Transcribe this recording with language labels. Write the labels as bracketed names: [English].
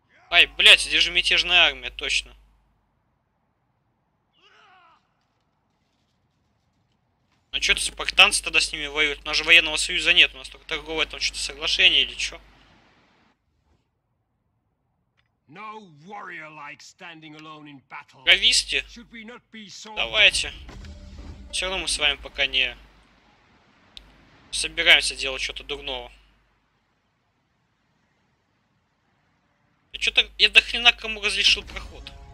[Russian] Ай, блядь, здесь же мятежная армия, точно. Ну что-то спартанцы тогда с ними воюют? У нас же военного союза нет, у нас только торговое там что-то соглашение или что? [English] No warrior like standing alone in battle. [Russian] Провисти. Давайте. Все равно мы с вами пока не собираемся делать что-то дурного. Я что-то я дохрена кому разрешил проход.